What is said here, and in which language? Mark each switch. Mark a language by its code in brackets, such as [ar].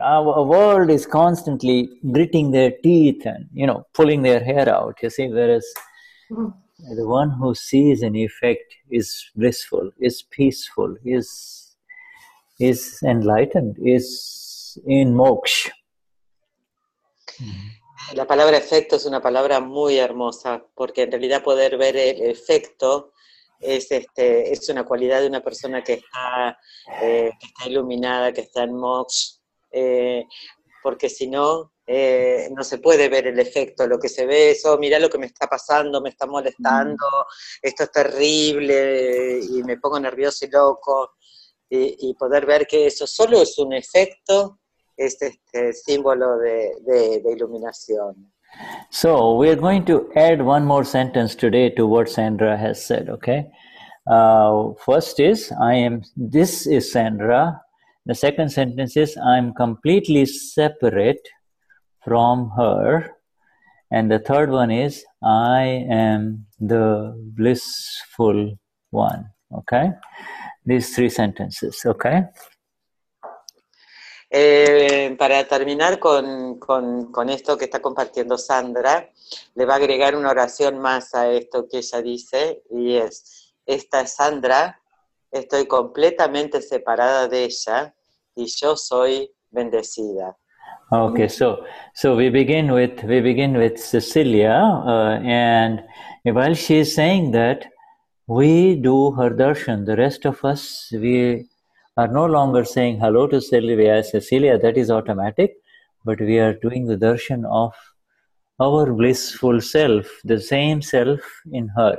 [en] Our world is constantly gritting their teeth and, you know, pulling their hair out. You see, whereas... The one who sees an effect is blissful, is peaceful, is enlightened, is in moksha. [es] La palabra efecto es una palabra muy hermosa, porque en realidad poder ver el efecto es una cualidad de una persona que está iluminada, que está en moksha, porque si no... no se puede ver el efecto, lo que se ve es, oh, mirá lo que me está pasando, me está molestando, esto es terrible, y me pongo nervioso y loco, y poder ver que eso solo es un efecto, es este símbolo de iluminación. [en] So, we are going to add one more sentence today to what Sandra has said, okay? First is, this is Sandra. The second sentence is, I'm completely separate from her, and the third one is, I am the blissful one, okay? These three sentences, okay? [es] Para terminar con esto que está compartiendo Sandra, le va a agregar una oración más a esto que ella dice, y es, esta es Sandra, estoy completamente separada de ella, y yo soy bendecida. [en] Okay, so we begin with Cecilia, and while she is saying that, we do her darshan. The rest of us, we are no longer saying hello to Cecilia. Cecilia, that is automatic, but we are doing the darshan of our blissful self, the same self in her.